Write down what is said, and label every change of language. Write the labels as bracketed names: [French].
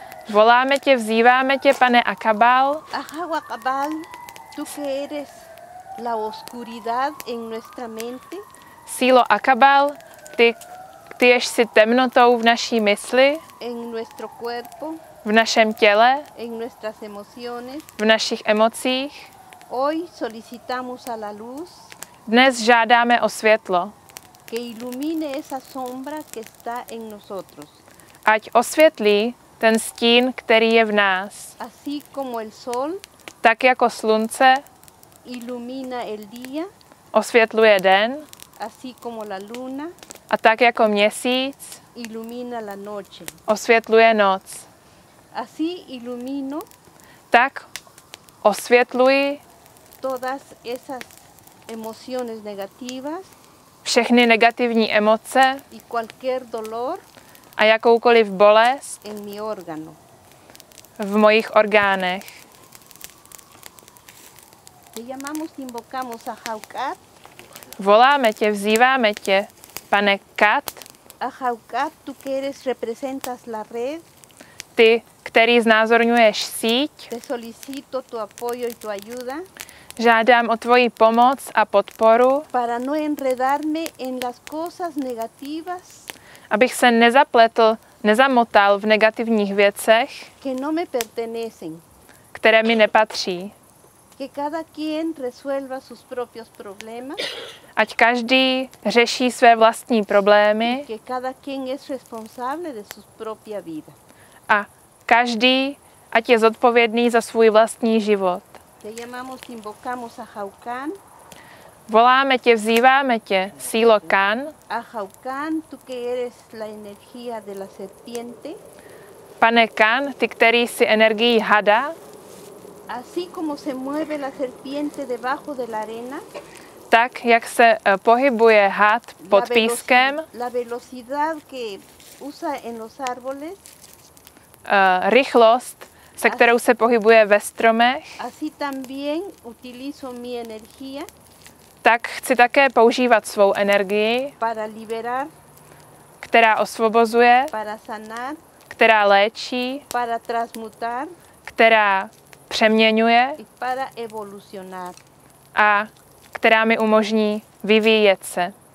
[Czech] Voláme tě, vzýváme tě, pane Akabal. [Spanish] Akabal, tu que eres la oscuridad en nuestra mente. [Czech] Sílo Akabal, ty jež si temnotou v naší mysli. [Spanish] En nuestro cuerpo. [Czech] V našem těle. [Spanish] En nuestras emociones. [Czech] V našich emocích. [Spanish] Hoy solicitamos a la luz. [Czech] Dnes žádáme o světlo. [Spanish] Que ilumine esa sombra que está en nosotros. [Czech] Ať osvětlí ten stín, který je v nás. [Spanish] Así como el sol, [Czech] tak jako slunce [Spanish] ilumina el día, [Czech] osvětluje den. [Spanish] Así como la luna, [Czech] a tak jako měsíc [Spanish] ilumina la noche, [Czech] osvětluje noc. [Spanish] Así ilumino, [Czech] tak osvětluji [Spanish] todas esas emociones negativas, [Czech] všechny negativní emoce [Spanish] y cualquier dolor [Czech] a jakoukoliv bolest [Spanish] en mi organo. [Czech] V mojich orgánech. [Spanish] Te llamamos, invocamos a Haukat. [Czech] Voláme tě, vzýváme tě, pane Kat. [Spanish] A Haukat, tu que eres, representas la red. [Czech] Ty, který znázorňuješ síť. [Spanish] Te solicito tu apoyo y tu ayuda. [Czech] Žádám o tvoji pomoc a podporu, [Spanish] para no enredarme en las cosas negativas, [Czech] abych se nezapletl, nezamotal v negativních věcech, [Spanish] que no me pertenecen, [Czech] které mi nepatří. [Spanish] Que cada quien resuelva sus propios problemas, [Czech] ať každý řeší své vlastní problémy, [Spanish] que cada quien es responsable de sus propia vida, [Czech] a každý, ať je zodpovědný za svůj vlastní život. [Spanish] Te llamamos, invocamos a Haukán. [Czech] Voláme tě, vzýváme tě, sílo Kán. [Spanish] A Haukán, tú que eres la energía de la serpiente. [Czech] Pane Kán, ty, který jsi energií hada. [Spanish] Así como se mueve la serpiente debajo de la arena. [Czech] Tak, jak se pohybuje had pod pískem. [Spanish] La velocidad que usa en los árboles. [Czech] Rychlost, se kterou se pohybuje ve stromech. [Spanish] Así también utilizo mi energía. [Czech] Tak chci také používat svou energii, [Spanish] para liberar, [Czech] která osvobozuje, [Spanish] para sanar, [Czech] která léčí, [Spanish] para transmutar, [Czech] která přeměňuje [Spanish] y para evolucionar. [Czech] A která mi umožní vyvíjet se.